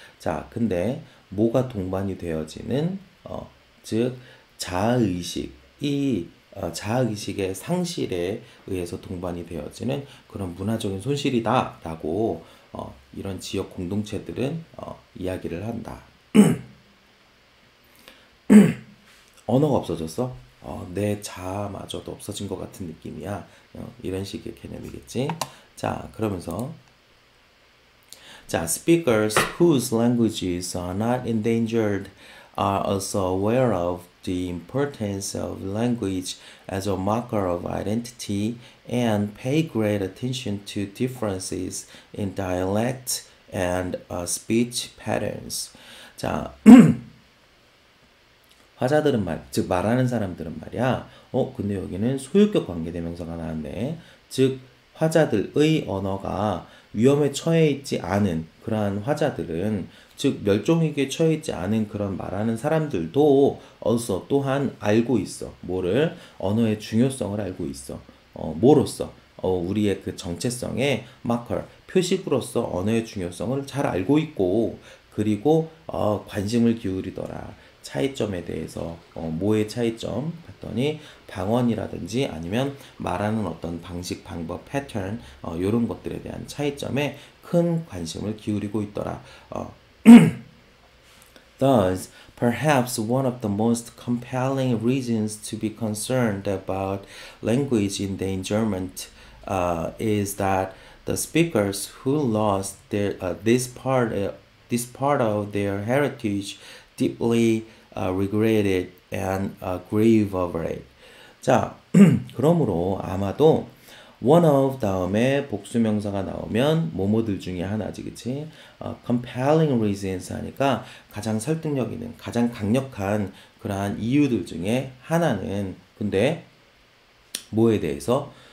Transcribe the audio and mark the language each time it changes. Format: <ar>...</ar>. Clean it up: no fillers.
<ko>자, 근데 뭐가 동반이 되어지는 즉 자아의식의 상실에 의해서 동반이 되어지는 그런 문화적인 손실이다라고 이런 지역 공동체들은 이야기를 한다. 언어가 없어졌어? 내 자아마저도 없어진 것 같은 느낌이야. 이런 식의 개념이겠지? 자, 그러면서.</ko> <en>자, speakers whose languages are not endangered are also aware of the importance of language as a marker of identity and pay great attention to differences in dialect and speech patterns.</en> <ko>자, 화자들은 말, 즉 말하는 사람들은 말이야. 근데 여기는 소유격 관계대명사가 나왔네. 즉 화자들의 언어가 위험에 처해 있지 않은 그러한 화자들은, 즉 멸종위기에 처해 있지 않은 그런 말하는 사람들도 also 또한 알고 있어. 뭐를? 언어의 중요성을 알고 있어. 뭐로써? 우리의 그 정체성의 마커, 표식으로서 언어의 중요성을 잘 알고 있고, 그리고 관심을 기울이더라. 차이점에 대해서, 뭐의 차이점? 봤더니, 방언이라든지 아니면 말하는 어떤 방식, 방법, 패턴, 요런 것들에 대한 차이점에 큰 관심을 기울이고 있더라.</ko> <en>Thus, perhaps one of the most compelling reasons to be concerned about language endangerment is that the speakers who lost this part of their heritage deeply regretted and grieve over it.</en> <ko>자, 그러므로 아마도 one of 다음에 복수명사가 나오면 뭐뭐들 중에 하나지, 그치? compelling reasons 하니까 가장 설득력 있는, 가장 강력한 그러한 이유들 중에 하나는, 근데 뭐에 대해서?</ko>